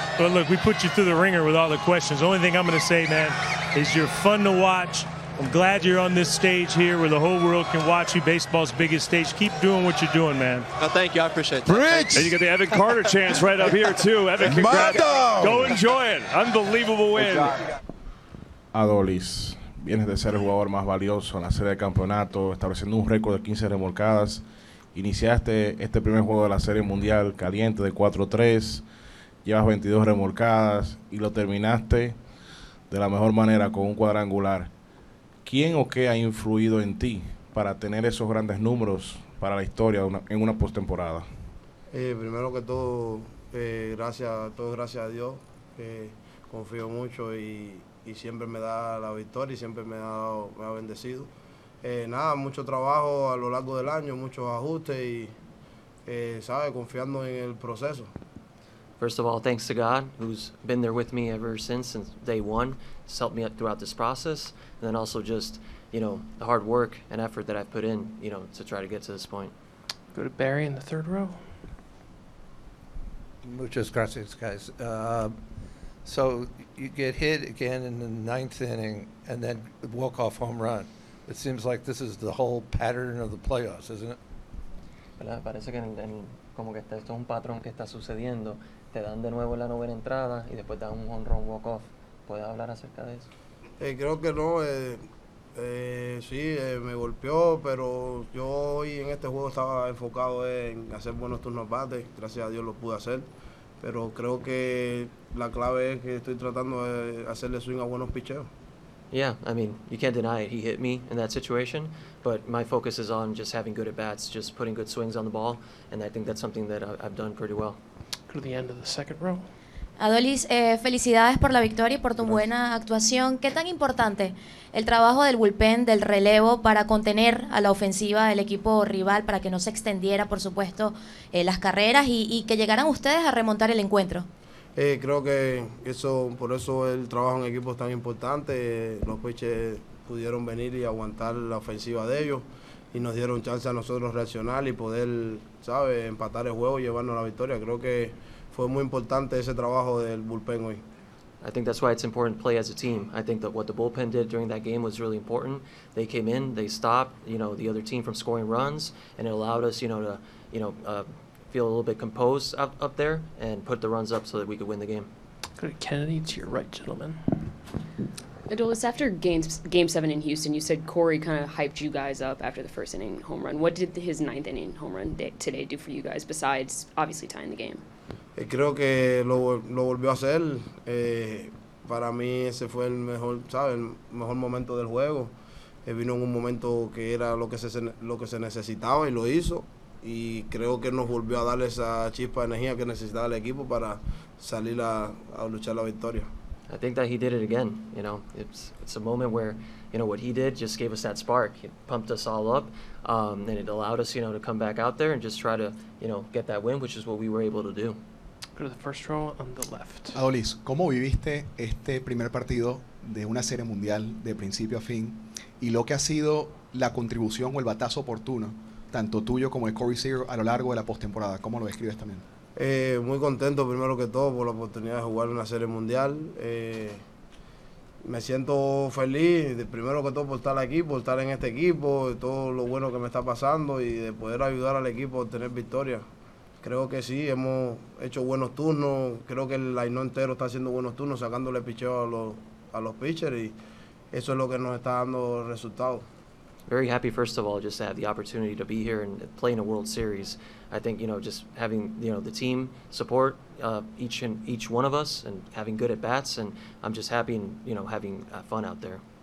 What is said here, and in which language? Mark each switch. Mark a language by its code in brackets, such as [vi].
[en] But look, we put you through the ringer with all the questions. The only thing I'm going to say, man, is you're fun to watch. I'm glad you're on this stage here where the whole world can watch you, baseball's biggest stage. Keep doing what you're doing, man. Oh, thank you. I appreciate that. Bridge! And you got the Evan Carter chance right up here, too. Evan, congrats. Go enjoy it. Unbelievable win. [es] Adolis, vienes de ser el jugador más valioso en la serie de campeonato, estableciendo un récord de 15 remolcadas. Iniciaste este primer juego de la serie mundial caliente de 4-3. Llevas 22 remolcadas y lo terminaste de la mejor manera con un cuadrangular. ¿Quién o qué ha influido en ti para tener esos grandes números para la historia en una postemporada? Primero que todo, gracias a Dios. Confío mucho y siempre me da la victoria y siempre me ha bendecido. Nada, mucho trabajo a lo largo del año, muchos ajustes y, ¿sabes? Confiando en el proceso. [en] First of all, thanks to God, who's been there with me ever since day one. It's helped me up throughout this process. And then also just, you know, the hard work and effort that I've put in, you know, to try to get to this point. Go to Barry in the third row. [es] Muchas gracias, guys. [en] So you get hit again in the ninth inning and then walk-off home run. It seems like this is the whole pattern of the playoffs, isn't it? [es] Parece que como que esto es un patrón que está sucediendo. Te dan de nuevo la novena entrada y después dan un home run walk-off. ¿Puedes hablar acerca de eso? Creo que no. Me golpeó, pero yo hoy en este juego estaba enfocado en hacer buenos turnos bates. Gracias a Dios lo pude hacer. Pero creo que la clave es que estoy tratando de hacerle swing a buenos picheos. [en] Yeah, I mean, you can't deny it. He hit me in that situation. But my focus is on just having good at-bats, just putting good swings on the ball. And I think that's something that I've done pretty well. Go to the end of the second row. [es] Adolis, felicidades por la victoria y por tu buena actuación. ¿Qué tan importante el trabajo del bullpen, del relevo, para contener a la ofensiva del equipo rival, para que no se extendiera, por supuesto, las carreras y que llegaran ustedes a remontar el encuentro? Creo que eso, por eso el trabajo en equipo es tan importante. Los pitchers pudieron venir y aguantar la ofensiva de ellos y nos dieron chance a nosotros reaccionar y poder, ¿sabes?, empatar el juego y llevarnos la victoria. Creo que fue muy importante ese trabajo del bullpen hoy. [en] I think that's why it's important to play as a team. I think that what the bullpen did during that game was really important. They came in, they stopped, you know, the other team from scoring runs, and it allowed us, you know, to, you know, feel a little bit composed up there and put the runs up so that we could win the game. Kennedy, to your right, gentlemen. Adolis, after game 7 in Houston, you said Corey kind of hyped you guys up after the first inning home run. What did his ninth inning home run today do for you guys besides obviously tying the game? [es] Creo que lo volvió a hacer. Para mí ese fue el mejor, ¿sabes?, el mejor momento del juego. Vino en un momento que era lo que se necesitaba y lo hizo. Y creo que nos volvió a dar esa chispa de energía que necesitaba el equipo para salir a luchar la victoria. [en] I think that he did it again, you know. It's a moment where, you know, what he did just gave us that spark. It pumped us all up, and it allowed us, you know, to come back out there and just try to, you know, get that win, which is what we were able to do. Go to the first row on the left. [es] Adolis, ¿cómo viviste este primer partido de una serie mundial de principio a fin? Y lo que ha sido la contribución o el batazo oportuno, tanto tuyo como de Corey Seager, a lo largo de la postemporada. ¿Cómo lo describes también? Muy contento, primero que todo, por la oportunidad de jugar una serie mundial. Me siento feliz, primero que todo, por estar aquí, por estar en este equipo, de todo lo bueno que me está pasando y de poder ayudar al equipo a obtener victoria. Creo que sí, hemos hecho buenos turnos. Creo que el line entero está haciendo buenos turnos, sacándole picheo a los pitchers, y eso es lo que nos está dando resultados. [en] Very happy, first of all, just to have the opportunity to be here and play in a World Series. I think, you know, just having, you know, the team support each one of us and having good at-bats, and I'm just happy and, you know, having fun out there.